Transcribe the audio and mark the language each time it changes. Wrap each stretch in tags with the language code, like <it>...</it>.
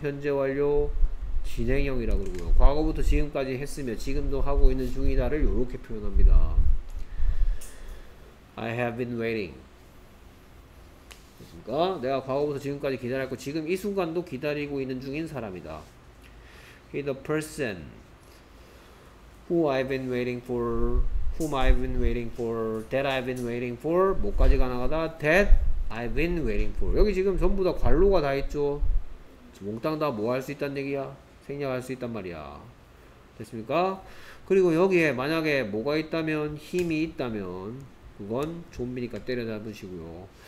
<ko>현재 완료 진행형이라고 그러고요. 과거부터 지금까지 했으며 지금도 하고 있는 중이다를 이렇게 표현합니다.</ko> <en>I have been waiting.</en> <ko>그니까 내가 과거부터 지금까지 기다렸고 지금 이 순간도 기다리고 있는 중인 사람이다.</ko> <en>He the person who I've been waiting for, whom I've been waiting for, that I've been waiting for.</en> <ko>뭐까지 가나가다</ko> <en>that I've been waiting for.</en> <ko>여기 지금 전부 다 관로가 다 있죠. 몽땅 다 뭐 할 수 있단 얘기야? 생략할 수 있단 말이야. 됐습니까? 그리고 여기에 만약에 뭐가 있다면 힘이 있다면 그건 좀비니까 때려잡으시고요.</ko>